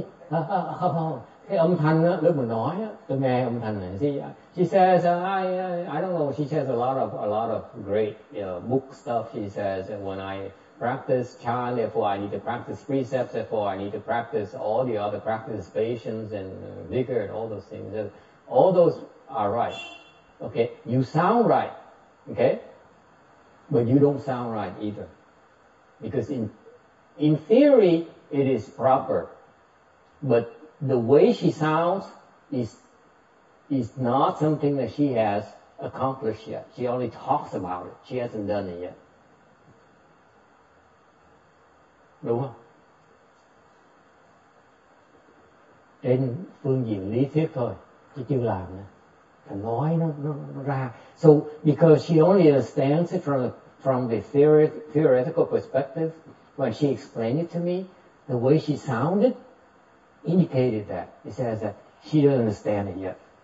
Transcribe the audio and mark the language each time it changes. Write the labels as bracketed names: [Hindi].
[Vietnamese] Không. Cái âm thanh á, lúc mình nói á, tôi nghe âm thanh này. [English] She says, I don't know, she says a lot of great, you know, book stuff. She says, when I practice chan, therefore I need to practice precepts, therefore I need to practice all the other practices, patience and vigor and all those things. All those are right. Okay? You sound right. Okay? But you don't sound right either. Because in theory, it is proper. But the way she sounds is not something that she has accomplished yet. She only talks about it. She hasn't done it yet. [Vietnamese] Đúng không? Trên phương diện lý thuyết thôi, chứ chưa làm nữa. Thành nói nó ra. [English] So because she only understands it from the theoretical perspective, when she explained it to me, the way she sounded indicated that. It says that she doesn't understand it yet.